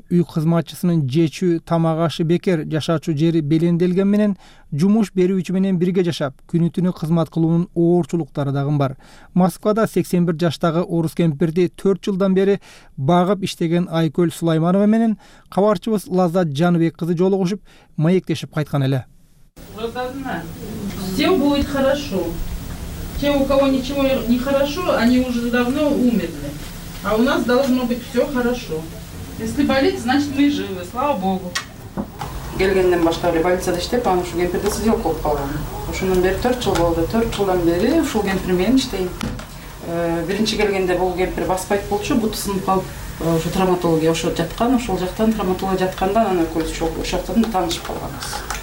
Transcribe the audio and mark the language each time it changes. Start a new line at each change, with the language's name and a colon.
Kyrgyz: Үй кызматчысынын жечүү тамак ашы бекер, жашачу жери белендилген менен жумуш берүүчү менен бирге жашап, күнү түнү кызмат кылуунун оорчулуктары дагы бар. Москвада 81 жаштагы орус кемпирди 4 жылдан бери багып иштеген Айкөл Сулайманова менен кабарчыбыз Лаззат Жаныбек кызы жолугушуп, маектешип кайткан эле.
Russian: Все будет хорошо. Те, у кого ничего не хорошо, они уже давно умерли. А у нас должно быть все хорошо. Если болит, значит мы живы. Слава Богу.
Kyrgyz: Келгенден башка эле больницада иштеп, анан ушул кемпирде сиделип калып калган. Ошондон бери 4 жыл болду. 4 жылдан бери ушул кемпир менен иштейм. Биринчи келгенде бул кемпир баспайт болчу, буту сынып калып, ошо травматология ошо жаткан, ошол жактан травматология жатканда анан көзүчө ошол таанышып калганбыз.